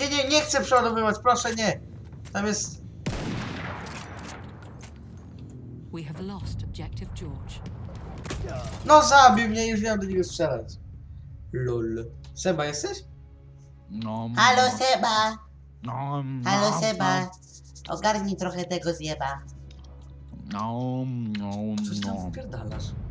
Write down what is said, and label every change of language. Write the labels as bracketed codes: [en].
[pl] Nie chcę przeładowywać, proszę nie. Tam jest. [en] We have lost objective George. [pl] No zabił mnie, już miałem do niego strzelać. LOL. Seba jesteś? No. Halo Seba. No. Halo Seba. Ogarnij trochę tego zjeba. No. Coś tam wypierdalasz.